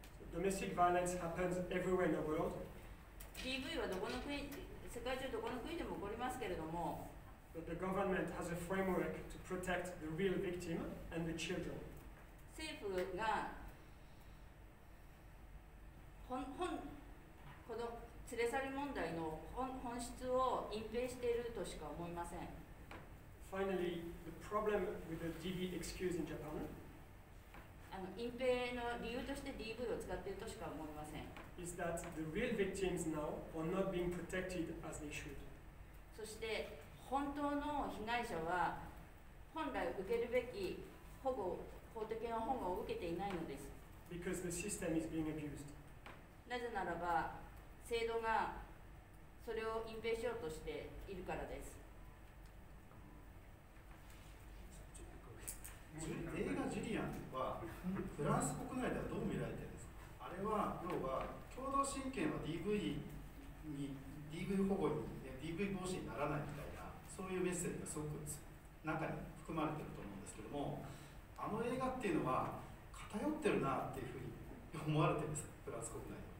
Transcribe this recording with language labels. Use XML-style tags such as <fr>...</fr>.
<en>Domestic violence happens everywhere in the world.</en> <ja>DV はどこの国、世界中どこの国でも起こりますけれども。</ja> <en>But the government has a framework to protect the real victim and the children.</en> <ja>政府が この連れ去り問題の本質を隠蔽しているとしか思いません。</ja> <en>Finally, the problem with the DV excuse in Japan</en> <ja>隠蔽の理由として DV を使っているとしか思いません。</ja> <en>Is that the real victims now are not being protected as they should.</en> <ja>そして本当の被害者は本来受けるべき保護、法的な保護を受けていないのです。</ja> <en>Because the system is being abused.</en> <ja>なぜならば、制度がそれを隠蔽しようとしているからです。映画ジュリアンはフランス国内ではどう見られているんですか。あれは要は共同親権は DV に、DV 保護に、ね、DV 防止にならないみたいな、そういうメッセージがすごく中に含まれていると思うんですけども、あの映画っていうのは偏ってるなっていうふうに思われているんですか、フランス国内。</ja>